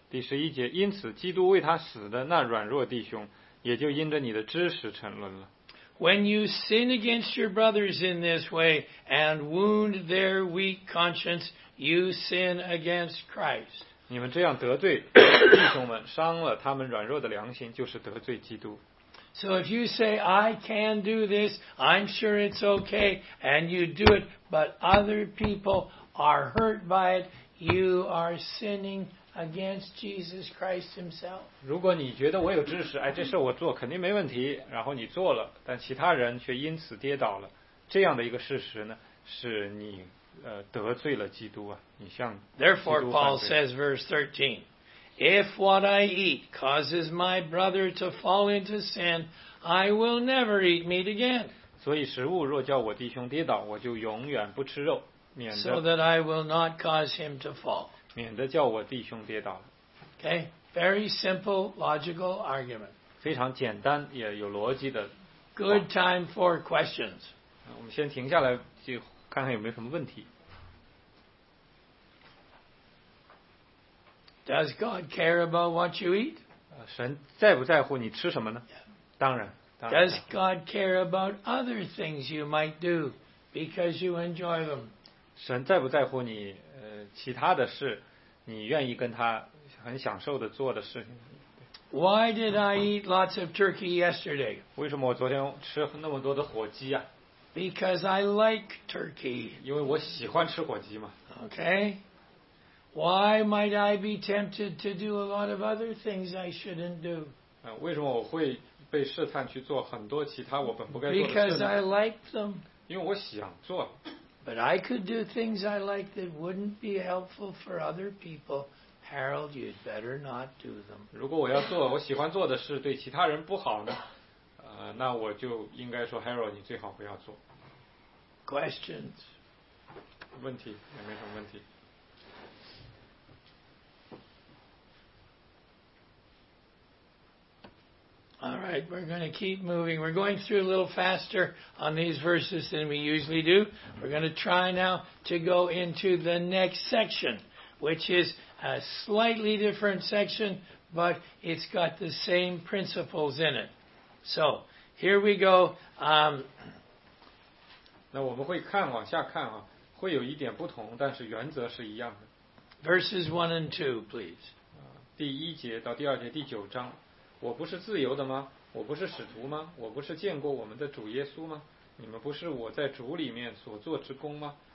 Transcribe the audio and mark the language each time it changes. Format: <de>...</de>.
<zh>第十一节，因此基督为他死的那软弱弟兄，也就因着你的知识沉沦了。</zh> <en>When you sin against your brothers in this way and wound their weak conscience, you sin against Christ.</en> <zh>你们这样得罪弟兄们，伤了他们软弱的良心，就是得罪基督。</zh> <en>So if you say, I can do this, I'm sure it's okay, and you do it, but other people are hurt by it, you are sinning against Jesus Christ himself.</en> <zh>如果你觉得我有知识，哎，这事我做肯定没问题，然后你做了，但其他人却因此跌倒了，这样的一个事实呢，是你得罪了基督啊，你向基督犯罪。</zh> <en>Therefore, Paul says verse 13, if what I eat causes my brother to fall into sin, I will never eat meat again.</en> <zh>所以食物若叫我弟兄跌倒，我就永远不吃肉，免得。</zh> <en>So that I will not cause him to fall.</en> <zh>免得叫我弟兄跌倒了。</zh> <en>Okay, very simple logical argument.</en> <zh>非常简单也有逻辑的。</zh> <en>Good time for questions.</en> <zh>我们先停下来就看看有没有什么问题。</zh> <en>Does God care about what you eat?</en> <zh>神在不在乎你吃什么呢？当然。</zh> <en>Does God care about other things you might do because you enjoy them?</en> <zh>神在不在乎你其他的事，你愿意跟他很享受的做的事情。</zh> <en>Why did I eat lots of turkey yesterday?</en> <zh>为什么我昨天吃那么多的火鸡啊？</zh> <en>Because I like turkey.</en> <zh>因为我喜欢吃火鸡嘛。</zh> <en>Okay. Why might I be tempted to do a lot of other things I shouldn't do?</en> <zh>为什么我会被试探去做很多其他我本不该做的事呢？</zh> <en>Because I like them.</en> <zh>因为我想做。</zh> <en>But I could do things I like that wouldn't be helpful for other people. Harold, you'd better not do them.</en> <zh>如果我要做我喜欢做的事对其他人不好呢？那我就应该说 Harold, 你最好不要做。</zh> <en>Questions?</en> <zh>问题，有没有什么问题？</zh> <en>All right, we're going to keep moving. We're going through a little faster on these verses than we usually do. We're going to try now to go into the next section, which is a slightly different section, but it's got the same principles in it. So, here we go.</en> <zh>那我们会看往下看啊，会有一点不同，但是原则是一样的。 Verses 1 and 2, please. 第一节到第二节第九章。我不是自由的吗？我不是使徒吗？我不是见过我们的主耶稣吗？你们不是我在主里面所做之功吗？</zh>